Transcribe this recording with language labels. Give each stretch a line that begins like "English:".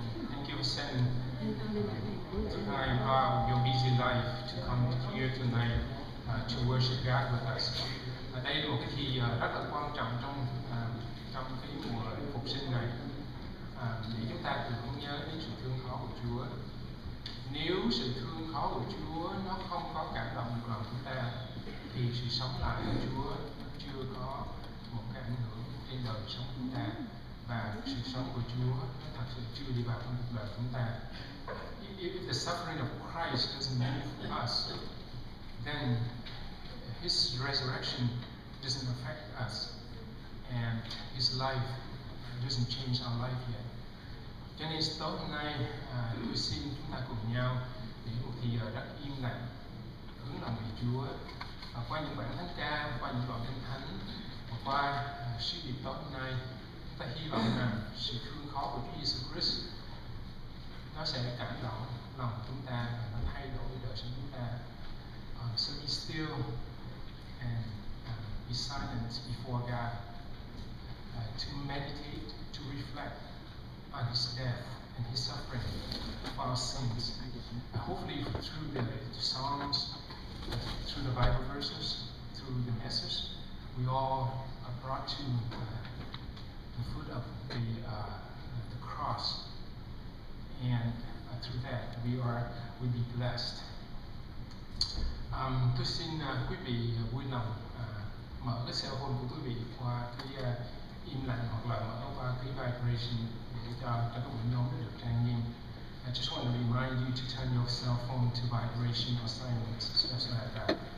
English: Thank you for sending the time out of your busy life to come here tonight to worship God with us.
Vietnamese: Đây là một kỳ rất là quan trọng trong trong cái mùa phục sinh này để chúng ta tưởng nhớ đến sự thương khó của Chúa. Nếu sự thương khó của Chúa nó không có cảm động được lòng chúng ta thì sự sống lại của Chúa chưa có một cái ảnh hưởng trên đời sống chúng ta. Và sự sống của Chúa thật sự chưa đi vào trong cuộc đời chúng ta.
English: If the suffering of Christ doesn't move us, then His resurrection doesn't affect us, and His life doesn't change our life yet.
Vietnamese: Cho nên tối hôm nay, tôi xin chúng ta cùng nhau để một thời giờ rất im lặng, hướng lòng về Chúa, và qua những bản thánh ca, qua những đoạn kinh thánh, và qua sự điệp tối hôm nay, ta hy vọng rằng sự thương khó của Chúa Jesus Christ nó sẽ cảm động lòng chúng ta và nó thay đổi đời sống chúng ta.
English: So be still and be silent before God to meditate, to reflect on His death and His suffering for our sins. Hopefully through the songs, through the Bible verses, through the message, we all are brought to the foot of the cross, and through that we'll be blessed.
Vietnamese: Tôi xin quý vị vui lòng mở cái cell phone của quý vị qua cái im lặng hoặc là mở qua cái vibration để cho các buổi nhóm được trang nghiêm.
English: I just want to remind you to turn your cell phone to vibration or silence, especially like that.